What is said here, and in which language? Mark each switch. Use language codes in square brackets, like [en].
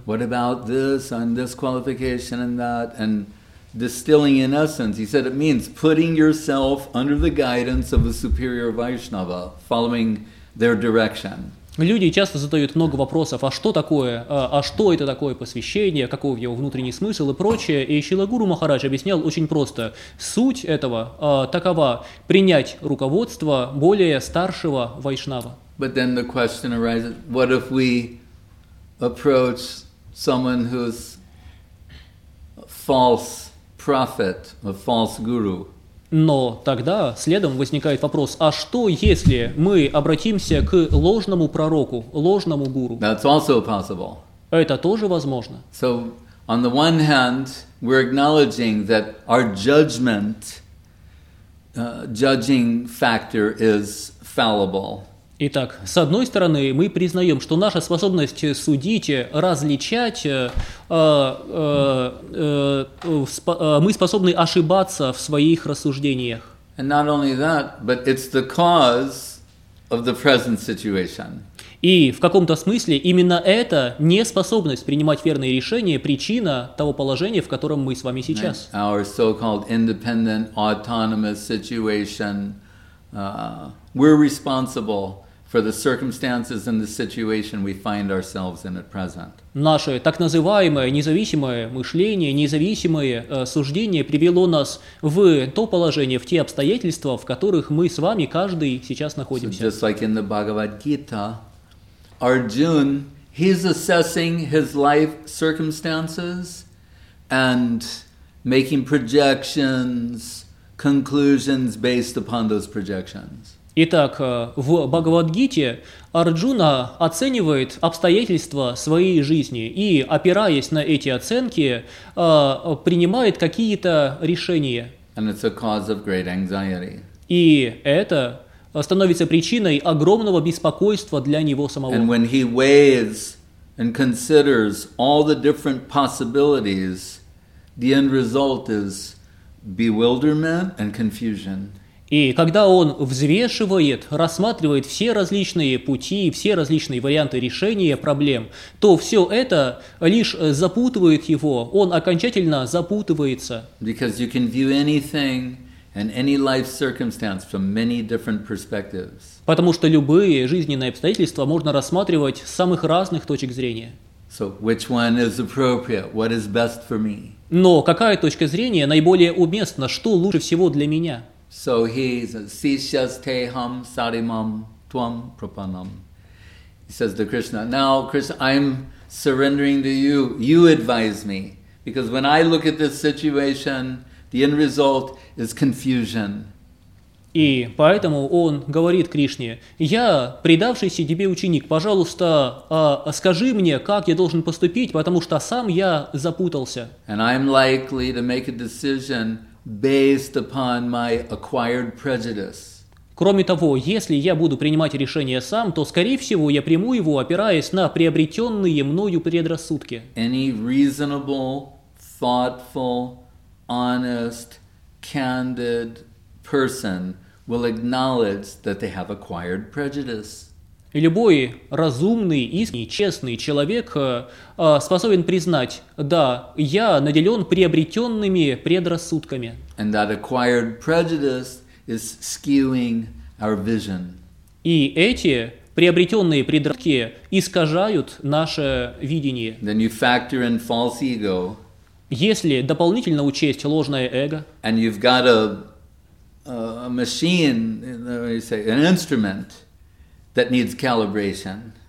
[en] What about this and this qualification and that? And distilling in essence, he said it means putting yourself under the guidance of a superior Vaishnava, following their direction. [ru] Люди часто задают много вопросов, а что такое, а что это такое посвящение, каков его внутренний смысл и прочее. И Шрила Гуру Махарадж объяснял очень просто. Суть этого такова – принять руководство более старшего вайшнава. [en] But then the question arises, what if we approach someone who's false prophet, a false guru? [ru] Но тогда следом возникает вопрос, а что если мы обратимся к ложному пророку, ложному гуру? [en] That's also possible. [ru] Это тоже возможно. [en] So, on the one hand, we're acknowledging that our judgment, judging factor is fallible. [ru] Итак, с одной стороны, мы признаем, что наша способность судить, различать, мы способны ошибаться в своих рассуждениях. [en] And not only that, but it's the cause of the present situation. [ru] И в каком-то смысле именно эта неспособность принимать верные решения – причина того положения, в котором мы с вами сейчас. [en] And our so-called independent, autonomous situation, we're responsible for the circumstances and the situation we find ourselves in at present. [ru] Наше так называемое независимое мышление, независимое суждение привело нас в то положение, в те обстоятельства, в которых мы с вами каждый сейчас находимся. [en] So just like in the Bhagavad Gita, Arjun, he's assessing his life circumstances and making projections conclusions based upon those projections. [ru] Итак, в Бхагавад-гите Арджуна оценивает обстоятельства своей жизни и, опираясь на эти оценки, принимает какие-то решения. [en] And it's a cause of great anxiety. [ru] И это становится причиной огромного беспокойства для него самого. [en] And when he weighs and considers all the different possibilities, the end result is bewilderment and confusion. [ru] И когда он взвешивает, рассматривает все различные пути, все различные варианты решения проблем, то все это лишь запутывает его, он окончательно запутывается. [en] Because you can view anything and any life circumstance from many different perspectives. [ru] Потому что любые жизненные обстоятельства можно рассматривать с самых разных точек зрения. [en] So which one is appropriate? What is best for me? [ru] Но какая точка зрения наиболее уместна? Что лучше всего для меня? [en] So he says, [sa] Sishyastheham Sarimam Tvam Prapanam. [en] He says to Krishna, now Krishna, I'm surrendering to you. You advise me. Because when I look at this situation, the end result is confusion. [ru] И поэтому он говорит Кришне, я предавшийся тебе ученик, пожалуйста, скажи мне, как я должен поступить, потому что сам я запутался. [en] And I'm likely to make a decision based upon my acquired prejudice. [ru] Кроме того, если я буду принимать решение сам, то, скорее всего, я приму его, опираясь на приобретенные мною предрассудки. [en] Any reasonable, thoughtful, honest, candid person will acknowledge that they have acquired prejudice. [ru] Любой разумный, искренний, честный человек способен признать, да, я наделен приобретенными предрассудками. [en] And that acquired prejudice is skewing our vision. [ru] И эти приобретенные предрассудки искажают наше видение. [en] Then you factor in false ego. [ru] Если дополнительно учесть ложное эго. [en] And you've got a machine, an instrument that needs calibration.